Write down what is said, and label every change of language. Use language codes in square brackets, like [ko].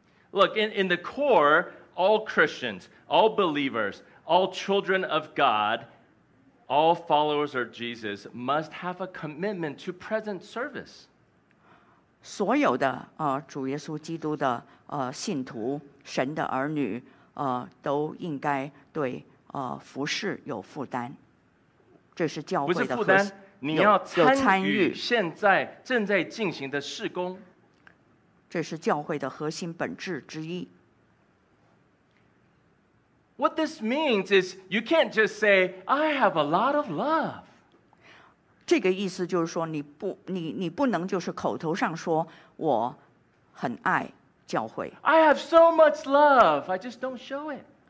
[en] Look, in the core, all Christians, all believers, all children of God, all followers of Jesus must have a commitment to present service. [zh] 所有的主耶稣基督的信徒神的儿女都应该对服事有负担。这是教会的核心。不是负担，你要参与现在正在进行的事工。这是教会的核心本质之一。 [en] What this means is you can't just say, I have a lot of love. [zh] 这个意思就是说你不能就是口头上说我很爱教会。 [en] I have so much love, I just don't show it.